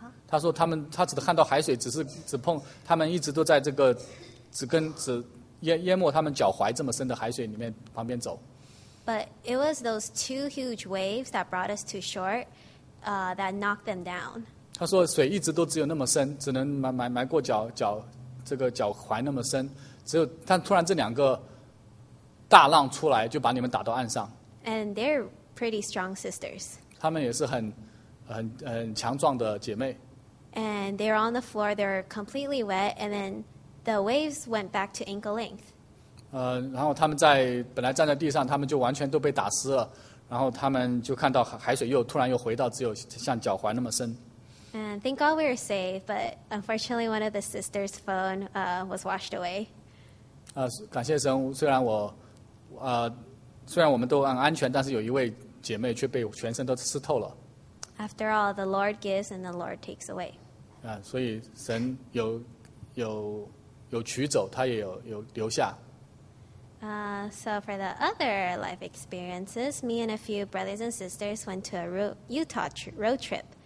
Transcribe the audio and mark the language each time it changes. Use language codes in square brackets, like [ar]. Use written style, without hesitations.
[zh] 他说他只看到海水，只碰他们一直都在这个只淹没他们脚踝这么深的海水里面旁边走。 [en] But it was those two huge waves that brought us to shore, that knocked them down. [zh] 他说水一直都只有那么深，只能埋过脚这个脚踝那么深，只有但突然这两个大浪出来就把你们打到岸上。 [en] And they're pretty strong sisters. [zh] 他们也是很强壮的姐妹。 [en] And they were on the floor, they were completely wet, and then the waves went back to ankle length. [zh] 然后他们在本来站在地上，他们就完全都被打湿了，然后他们就看到海水又突然又回到只有像脚踝那么深。 [en] And thank God we were safe, but unfortunately one of the sisters' phone was washed away. [zh] 感谢神，虽然我们都安全，但是有一位姐妹却被全身都湿透了。 [en] After all, the Lord gives and the Lord takes away. [zh] 所以神有取走，他也有留下。 [en] So for the other life experiences, me and a few brothers and sisters went to a Utah road trip.